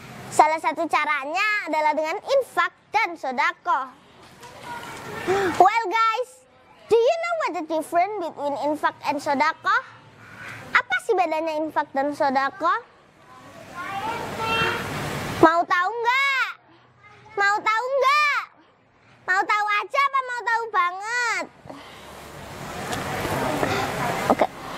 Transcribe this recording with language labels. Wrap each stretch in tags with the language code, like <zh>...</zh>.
<id>Salah satu caranya adalah dengan infak dan sedekah.</id> <en>Well guys, do you know what the difference between infak and sedekah?</en> <id>Apa sih bedanya infak dan sedekah? Mau tahu enggak? Mau tahu enggak? Mau tahu aja apa mau tahu banget? Oke. Okay.</id>